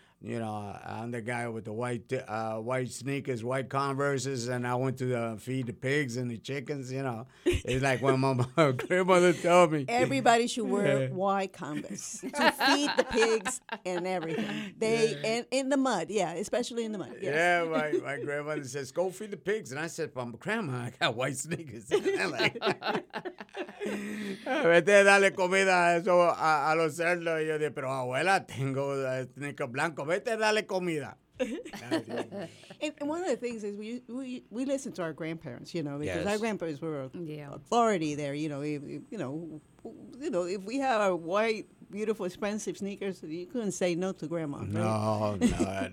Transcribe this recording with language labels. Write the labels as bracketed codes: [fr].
[en] You know, I'm the guy with the white sneakers, white Converses, and I went to feed the pigs and the chickens, you know. It's like when my grandmother told me. Everybody should wear white Converse to feed the pigs and everything. Especially in the mud. Yes. Yeah, my grandmother says, go feed the pigs. And I said, but grandma, I got white sneakers. [es] Vete a darle comida a los cerdos. Y yo dije, pero abuela, tengo sneakers blancos. Vete a darle comida. [en] And one of the things is we listen to our grandparents, you know, because yes. Our grandparents were authority there, you know. If we have our white, beautiful, expensive sneakers, you couldn't say no to grandma. Right?